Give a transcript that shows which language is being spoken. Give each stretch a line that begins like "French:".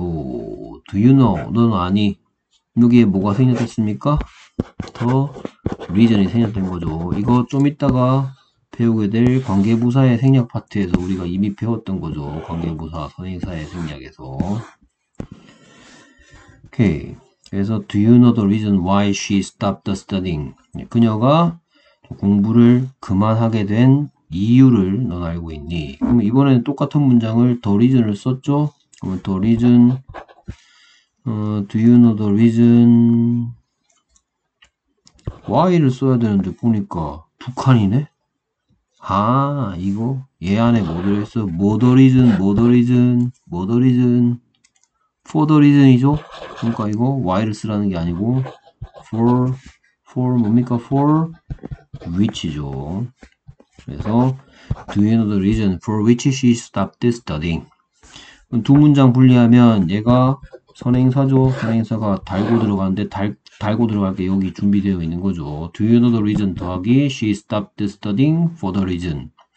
English: Do you know?
Korean: 너는 아니. 여기에 뭐가 생략됐습니까? The reason이 생략된 거죠. 이거 좀 이따가 배우게 될 관계부사의 생략 파트에서 우리가 이미 배웠던 거죠. 관계부사 선행사의 생략에서. 오케이.
English: 그래서 Do you know the reason why she stopped studying?
Korean: 그녀가 공부를 그만하게 된 이유를 넌 알고 있니? 그럼 이번에는 똑같은 문장을 the reason을 썼죠? 그러면 the reason, do you know the reason why를 써야 되는데 보니까 북한이네? 아, 이거 얘 안에 뭐 들어있어?
English: 뭐 the reason, 뭐 the reason, 뭐 the reason, for the reason이죠?
Korean: 그러니까 이거 why를 쓰라는 게 아니고 for 뭡니까?
English: for which죠? 그래서 Do you know the reason for which she stopped studying?
Korean: 두 문장 분리하면 얘가 선행사죠. 선행사가 달고 들어가는데 달고 들어갈 게 여기 준비되어 있는 거죠.
English: Do you know the reason 더하기 she stopped studying for the reason.